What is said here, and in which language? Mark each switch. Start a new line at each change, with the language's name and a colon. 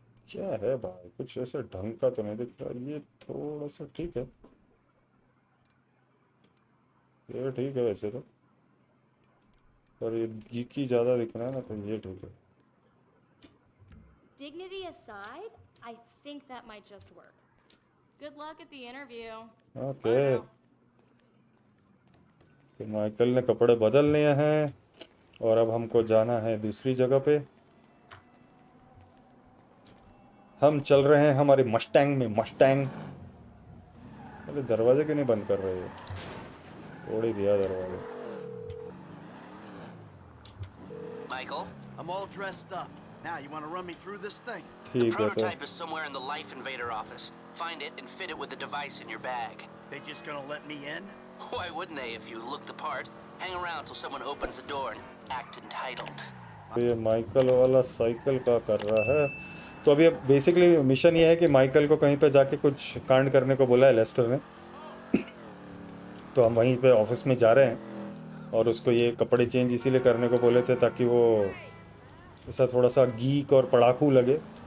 Hindi: क्या है भाई, कुछ ऐसे ढंग का तो नहीं दिख रहा. ये थोड़ा सा ठीक है, ये ठीक है वैसे तो, पर ये गीकी ज्यादा दिख रहा है ना, तो ये ठीक है.
English: Dignity aside, I think that might just work. Good luck at the interview. Okay.
Hindi: तो माइकल ने कपड़े बदल लिए हैं और अब हमको जाना है दूसरी जगह पे. हम चल रहे हैं हमारे मस्टैंग में. मस्टैंग. अरे दरवाजे क्यों नहीं बंद कर रहे, तोड़ ही दिया दरवाजे.
English: Michael, I'm all dressed up. Now you want to run me through this thing? The prototype is somewhere in the Life Invader office. Find it and fit it with the device in your bag. They just gonna let me in? Why wouldn't they if you look the part? Hang around till someone opens the door and act entitled.
Hindi: ये Michael वाला cycle का कर रहा है. तो अभी अब basically mission ये है कि माइकल को कहीं पे जाके कुछ कांड करने को बोला है लेस्टर ने. तो हम वहीं पे ऑफिस में जा रहे हैं और उसको ये कपड़े चेंज इसीलिए करने को बोले थे ताकि वो ऐसा थोड़ा सा गीक और पड़ाकू लगे.